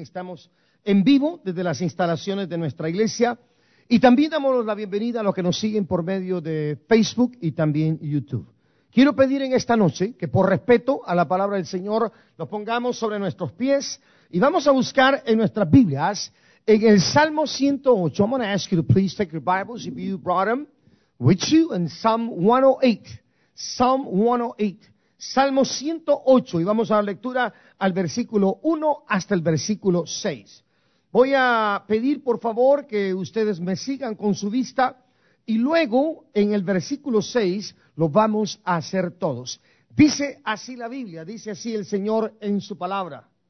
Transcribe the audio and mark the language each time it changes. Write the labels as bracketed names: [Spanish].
[Spanish] Estamos en vivo desde las instalaciones de nuestra iglesia. Y también damos la bienvenida a los que nos siguen por medio de Facebook y también YouTube. Quiero pedir en esta noche que por respeto a la palabra del Señor nos pongamos sobre nuestros pies y vamos a buscar en nuestras Biblias, en el Salmo 108. [English] I'm going to ask you to please take your Bibles if you brought them with you in Psalm 108. Psalm 108. [Spanish] Salmo 108. Y vamos a dar lectura al versículo 1 hasta el versículo 6. Voy a pedir, por favor, que ustedes me sigan con su vista y luego, en el versículo 6, lo vamos a hacer todos. Dice así la Biblia, dice así el Señor en su palabra.